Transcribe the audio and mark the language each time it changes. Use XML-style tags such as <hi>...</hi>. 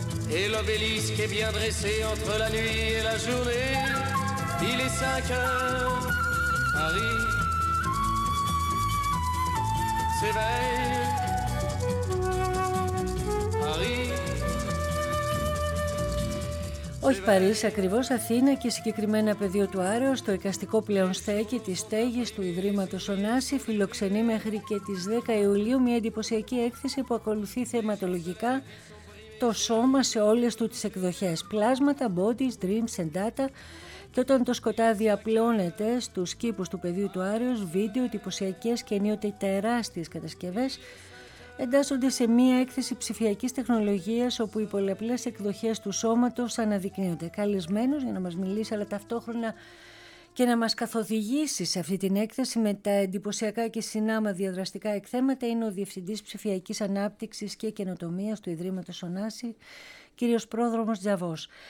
<fr>Et l'obélisque est bien dressé entre la nuit et la journée. Il est 5 heures, Paris s'éveille. Paris.</fr> <el>Όχι Παρίσι, ακριβώς Αθήνα και συγκεκριμένα πεδίο του Άρεως, το εικαστικό πλέον στέκι της στέγης του Ιδρύματος Ωνάση φιλοξενεί μέχρι και τις 10 Ιουλίου μια εντυπωσιακή έκθεση που ακολουθεί θεματολογικά το σώμα σε όλες του τις εκδοχές. Πλάσματα,</el> <en>bodies, dreams and data.</en> <el>Και όταν το σκοτάδι απλώνεται στους κήπους του πεδίου του Άρεως, βίντεο, εντυπωσιακές και ενίοτε τεράστιες κατασκευές εντάσσονται σε μία έκθεση ψηφιακής τεχνολογίας όπου οι πολλαπλές εκδοχές του σώματος αναδεικνύονται. Καλεσμένος για να μας μιλήσει αλλά ταυτόχρονα και να μας καθοδηγήσει σε αυτή την έκθεση με τα εντυπωσιακά και συνάμα διαδραστικά εκθέματα είναι ο Διευθυντής Ψηφιακής Ανάπτυξης και Καινοτομίας του Ιδρύματος Ωνάση, κύριος Πρόδρομος Τζαβός.</el>